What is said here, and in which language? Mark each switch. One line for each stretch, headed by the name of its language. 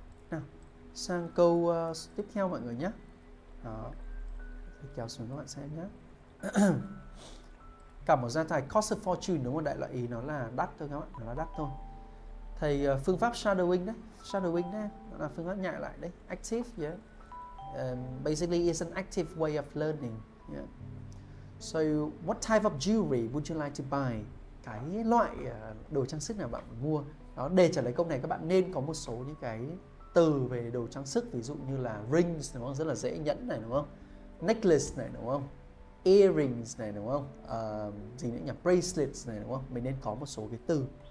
Vietnamese: Nào, sang câu tiếp theo mọi người nhé. Đó, thì kéo xuống các bạn xem nhé. Cả một gia tài
English: cost a fortune
Vietnamese: đúng không? Đại loại ý nó là đắt thôi các bạn, nó là đắt thôi. Thầy phương pháp shadowing đấy, đó là phương pháp nhại lại đấy, active, yeah.
English: Basically is an active way of learning, yeah. So what type of jewelry would you like to buy?
Vietnamese: Cái loại đồ trang sức nào bạn mua? Đó, để trả lời câu này các bạn nên có một số những cái từ về đồ trang sức, ví dụ như là rings đúng không, rất là dễ, nhẫn này đúng không, necklace này đúng không, earrings này đúng không, gì nữa nhỉ, bracelets này đúng không, mình nên có một số cái từ.